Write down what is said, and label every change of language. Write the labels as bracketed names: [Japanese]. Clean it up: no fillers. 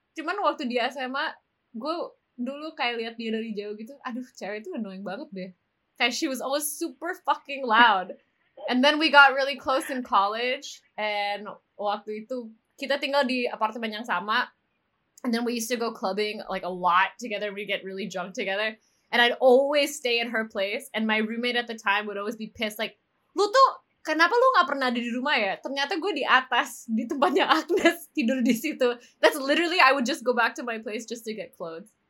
[Indonesian] Cuman waktu dia SMA, gue dulu kayak lihat dia dari jauh gitu. Aduh, cewek itu annoying banget deh. Kayak [English] she was always super fucking loud. And then we got really close in college. [Indonesian] And waktu itu kita tinggal di apartemen yang sama. [English] And then we used to go clubbing like a lot together. We get really drunk together. And I'd always stay at her place. And my roommate at the time would always be pissed. [Indonesian] Like, lu tuh, kenapa lu gak pernah ada di rumah ya? Ternyata gue di atas, di tempatnya Agnes, tidur di situ. [English] That's literally, I would just go back to my place just to get clothes.